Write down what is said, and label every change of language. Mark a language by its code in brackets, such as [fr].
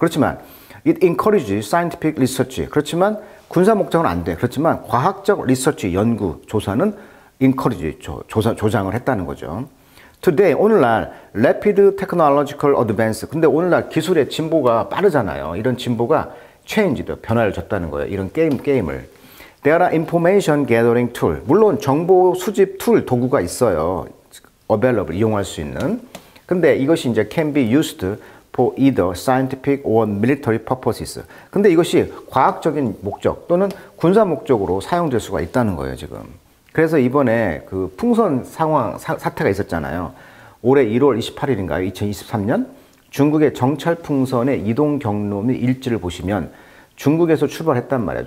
[ko] 그렇지만 [en] it encourages scientific research, [ko] 그렇지만 군사 목적은 안 돼. 그렇지만 과학적 리서치, 연구, 조사는 encourage, 조장을 했다는 거죠. Today, 오늘날 [en] rapid technological advance, [ko] 근데 오늘날 기술의 진보가 빠르잖아요. 이런 진보가 change도 변화를 줬다는 거예요. 이런 게임을. [en] There are information gathering tool. [ko] 물론 정보 수집 툴, 도구가 있어요. Available, 이용할 수 있는. 근데 이것이 이제 [en] can be used for either scientific or military purposes. [ko] 근데 이것이 과학적인 목적 또는 군사 목적으로 사용될 수가 있다는 거예요, 지금. 그래서 이번에 그 풍선 상황, 사태가 있었잖아요. 올해 1월 28일인가요? 2023년? 중국의 정찰풍선의 이동 경로 및 일지를 보시면 중국에서 출발했단 말이에요.